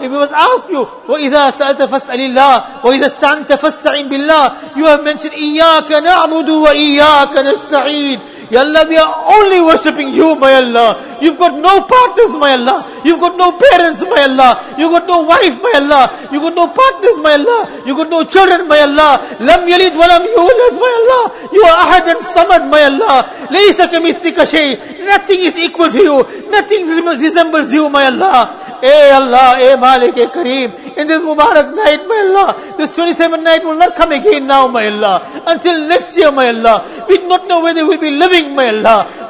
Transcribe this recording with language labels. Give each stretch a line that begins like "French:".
English: If he was asked you,
Arabic: وَإِذَا سَأَلْتَ فَاسْأَلِ اللَّهِ وَإِذَا اسْتَعَنْتَ فَاسْتَعِنْ بِاللَّهِ.
English: You have mentioned,
Arabic: إِيَّاكَ نَعْبُدُ وَإِيَّاكَ نَسْتَعِينَ.
English: Ya Allah, we are only worshipping you, my Allah. You've got no partners, my Allah. You've got no parents, my Allah. You've got no wife, my Allah. You've got no partners, my Allah. You've got no children, my Allah.
Arabic: لَمْ يَلِدْ وَلَمْ يُولَدْ, my Allah.
English: You are Ahad and Samad, my Allah.
Arabic: لَيْسَ كَمِثْلِكَ شَيْءٍ.
English: Nothing is equal to you. Nothing resembles you, my Allah. Ey Allah, ey Malik, ey Kareem. In this Mubarak night, my Allah, this 27th night will not come again now, my Allah. Until next year, my Allah. We do not know whether we'll be living, my Allah.